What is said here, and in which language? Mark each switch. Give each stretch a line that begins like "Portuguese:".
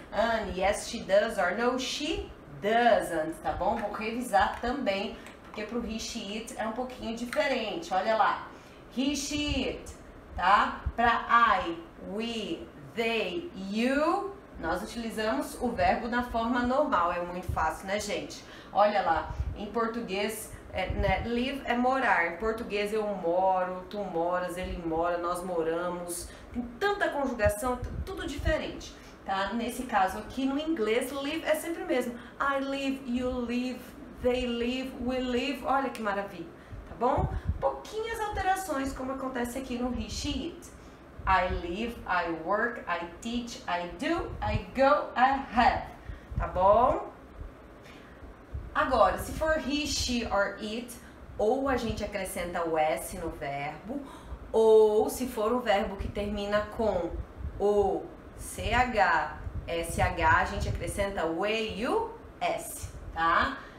English: And yes, she does or no, she doesn't.
Portuguese: Tá bom? Vou revisar também, porque pro he, she, it é um pouquinho diferente. Olha lá.
English: He, she, it.
Portuguese: Tá? Pra I, we, they, you, nós utilizamos o verbo na forma normal. É muito fácil, né, gente? Olha lá. Em português... É, né? Live é morar. Em português, eu moro, tu moras, ele mora, nós moramos. Tem tanta conjugação, tudo diferente, tá? Nesse caso aqui, no inglês, live é sempre o mesmo.
English: I live, you live, they live, we live.
Portuguese: Olha que maravilha, tá bom? Pouquinhas alterações, como acontece aqui no he, she, it.
English: I live, I work, I teach, I do, I go, I have.
Portuguese: Tá bom? Agora, se for he, she, or it, ou a gente acrescenta o S no verbo, ou se for um verbo que termina com o, CH, SH, a gente acrescenta o E e o S, tá?